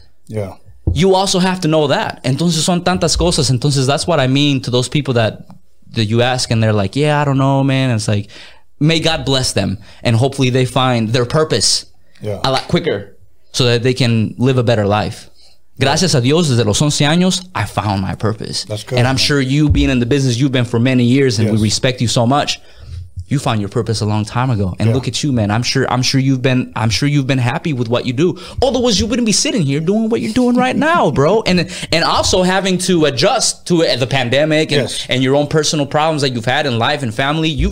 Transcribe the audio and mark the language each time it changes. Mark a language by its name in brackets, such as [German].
[English] Yeah. You also have to know that. [Spanish] Entonces son tantas cosas. Entonces [English] that's what I mean to those people that you ask and they're like, yeah, I don't know, man. And it's like, may God bless them and hopefully they find their purpose a lot quicker. So that they can live a better life. [Spanish] Gracias a Dios, desde los 11 años, [English] I found my purpose. That's good. And I'm sure you being in the business you've been for many years and we respect you so much, you found your purpose a long time ago. And look at you, man. I'm sure you've been happy with what you do. Otherwise, you wouldn't be sitting here doing what you're doing right now, bro. And also having to adjust to the pandemic and your own personal problems that you've had in life and family.